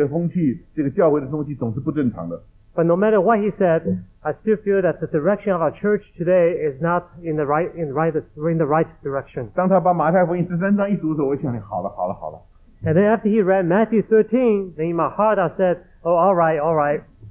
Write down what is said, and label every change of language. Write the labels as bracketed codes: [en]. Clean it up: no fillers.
[zh] 我不管他赞不赞成，我总要说，现在这个风气，这个教会的风气总是不正常的。 [en] But no matter what he said, I still feel that the direction of our church today is not in the right direction. [zh] 当他把马太福音13章一读的时候，我想你好了，好了，好了。 [en] And then after he read Matthew 13, then in my heart I said, "Oh, all right, all right."